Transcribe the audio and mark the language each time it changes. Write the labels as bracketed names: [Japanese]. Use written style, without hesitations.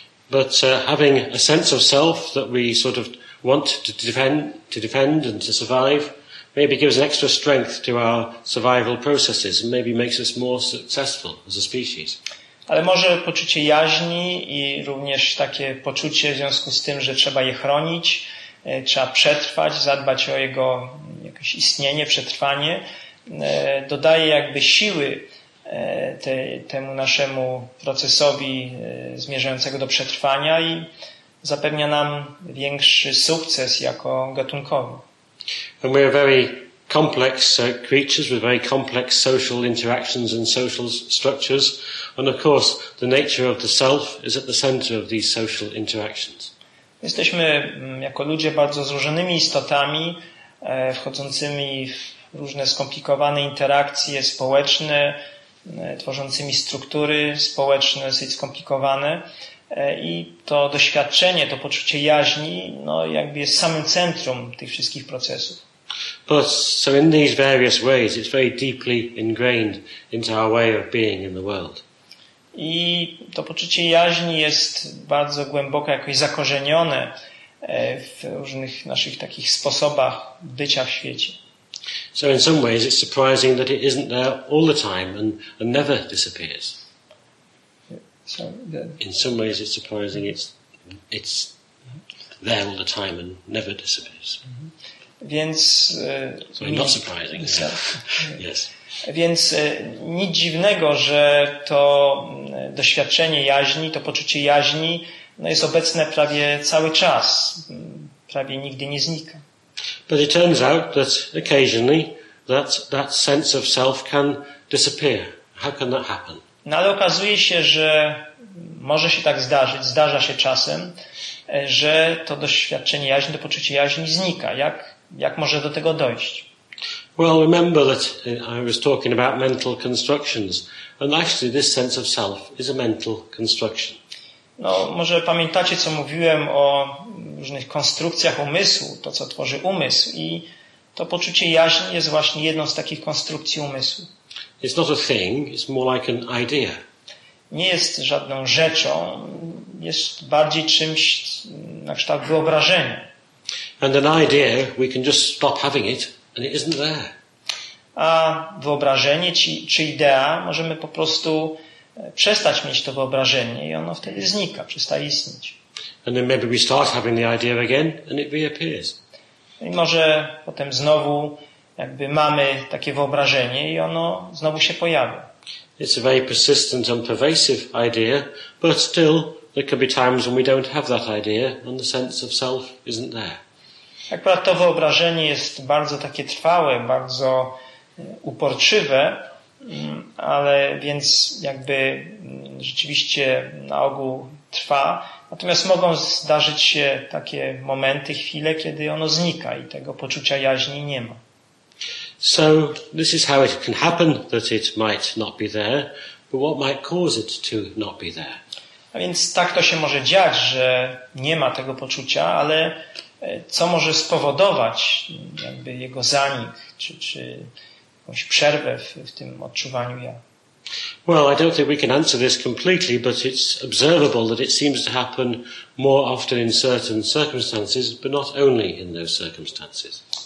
[English] But having a sense of self that we sort of want to defend and to survive maybe gives an extra strength to our survival processes and maybe makes us more successful as a species. [Polish] Ale może poczucie jaźni i również takie poczucie w związku z tym, że trzeba je chronić, trzeba przetrwać, zadbać o jego jakieś istnienie, przetrwanie, dodaje jakby siły temu naszemu procesowi zmierzającego do przetrwania i zapewnia nam większy sukces jako gatunkowy. [English] And we are very complex creatures with very complex social interactions and social structures, and of course the nature of the self is at the center of these social interactions. [Polish] Jesteśmy jako ludzie bardzo złożonymi istotami, wchodzącymi w różne skomplikowane interakcje społeczne, tworzącymi struktury społeczne, dosyć skomplikowane. I to doświadczenie, to poczucie jaźni, no jakby jest samym centrum tych wszystkich procesów. [English] So in these various ways, it's very deeply ingrained into our way of being in the world. [Polish] I to poczucie jaźni jest bardzo głęboko jakoś zakorzenione w różnych naszych takich sposobach bycia w świecie. [English] So in some ways it's surprising that it isn't there all the time and never disappears. In some ways it's surprising it's there all the time and never disappears. [Polish] Więc [English] not surprising. Yes. [Polish] Więc nic dziwnego, że to doświadczenie jaźni, to poczucie jaźni no jest obecne prawie cały czas, prawie nigdy nie znika. [English] But it turns out that occasionally that sense of self can disappear. How can that happen? [Polish] No ale okazuje się, że może się tak zdarzyć, zdarza się czasem, że to doświadczenie jaźni, to poczucie jaźni znika. Jak może do tego dojść? [English] Well, remember that I was talking about mental constructions, and actually this sense of self is a mental construction. [Polish] No, może pamiętacie, co mówiłem o różnych konstrukcjach umysłu, to co tworzy umysł, i to poczucie jaźni jest właśnie jedną z takich konstrukcji umysłu. [English] It's not a thing, it's more like an idea. [Polish] Nie jest żadną rzeczą, jest bardziej czymś na kształt wyobrażenia. [English] And an idea, we can just stop having it, and it isn't there. [Polish] A wyobrażenie czy idea, możemy po prostu przestać mieć to wyobrażenie i ono wtedy znika, przestaje istnieć. [English] And then maybe we start having the idea again and it reappears. [Polish] I może potem znowu jakby mamy takie wyobrażenie i ono znowu się pojawia. [English] It's a very persistent and pervasive idea, but still there can be times when we don't have that idea and the sense of self isn't there. [Polish] Akurat to wyobrażenie jest bardzo takie trwałe, bardzo uporczywe, ale więc jakby rzeczywiście na ogół trwa. Natomiast mogą zdarzyć się takie momenty, chwile, kiedy ono znika i tego poczucia jaźni nie ma. [English] So this is how it can happen that it might not be there, but what might cause it to not be there? [Polish] A więc tak to się może dziać, że nie ma tego poczucia, ale co może spowodować jakby jego zanik, czy jakąś przerwę w tym odczuwaniu ja? [English] Well, I don't think we can answer this completely, but it's observable that it seems to happen more often in certain circumstances, but not only in those circumstances.